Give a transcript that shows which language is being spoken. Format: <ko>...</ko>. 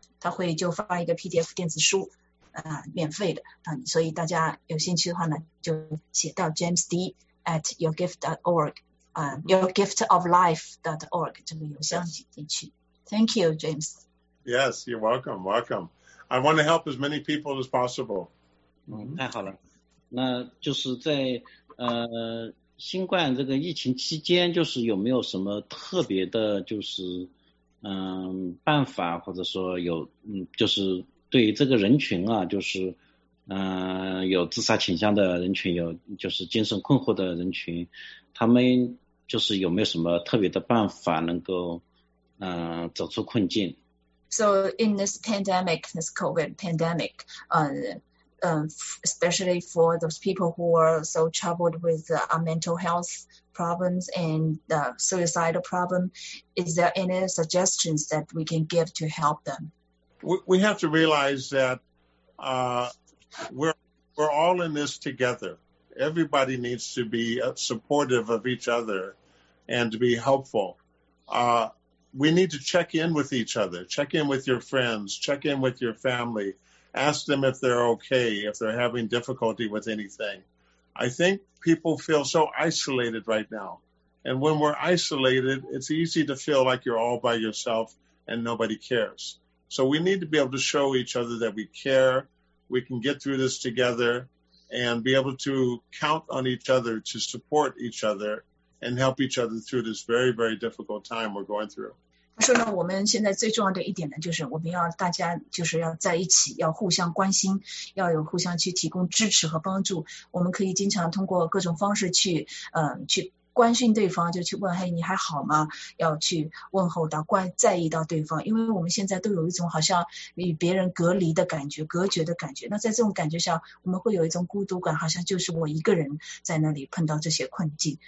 <zh>他会就发一个 PDF 电子书。免费的，所以大家有兴趣的话呢，就写到 jamesd@yourgift.org， yourgiftoflife.org 这个邮箱进去。</zh> <en>Thank you, James. Yes, you're welcome. Welcome. I want to help as many people as possible.</en> <zh>太好了，那就是在新冠这个疫情期间，就是有没有什么特别的，就是办法，或者说有就是。对于这个人群啊，就是，有自杀倾向的人群，有就是精神困惑的人群，他们就是有没有什么特别的办法能够，走出困境</zh> <en>？So in this pandemic, this COVID pandemic, especially for those people who are so troubled with a mental health problems and the suicidal problem, is there any suggestions that we can give to help them? We have to realize that we're all in this together. Everybody needs to be supportive of each other and to be helpful. We need to check in with each other, check in with your friends, check in with your family, ask them if they're okay, if they're having difficulty with anything. I think people feel so isolated right now. And when we're isolated, it's easy to feel like you're all by yourself and nobody cares. So we need to be able to show each other that we care, we can get through this together, and be able to count on each other to support each other and help each other through this very, very difficult time we're going through.</en> <zh>他说呢，我们现在最重要的一点呢，就是我们要大家就是要在一起，要互相关心，要有互相去提供支持和帮助。我们可以经常通过各种方式去关心对方，就去问，嘿，你还好吗？要去问候到，在意到对方，因为我们现在都有一种好像与别人隔离的感觉，隔绝的感觉。那在这种感觉下，我们会有一种孤独感，好像就是我一个人在那里碰到这些困境。</zh>